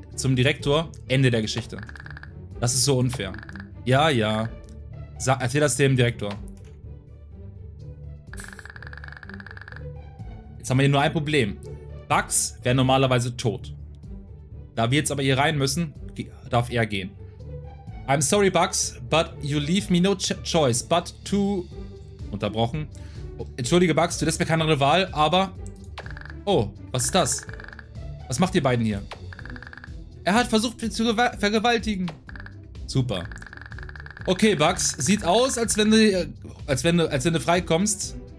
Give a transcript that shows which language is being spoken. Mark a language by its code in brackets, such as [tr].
[de] zum Direktor. Ende der Geschichte. Das ist so unfair. Ja, ja. Erzähl das dem Direktor. Jetzt haben wir hier nur ein Problem. Bugs wäre normalerweise tot. Da wir jetzt aber hier rein müssen, darf er gehen. [en] I'm sorry, Bugs, but you leave me no choice but to... [de] Unterbrochen. Oh, entschuldige, Bugs, du lässt mir keine andere Wahl, aber... Oh, was ist das? Was macht ihr beiden hier? Er hat versucht, mich zu vergewaltigen. Super. Okay, Bugs, sieht aus, als wenn du freikommst.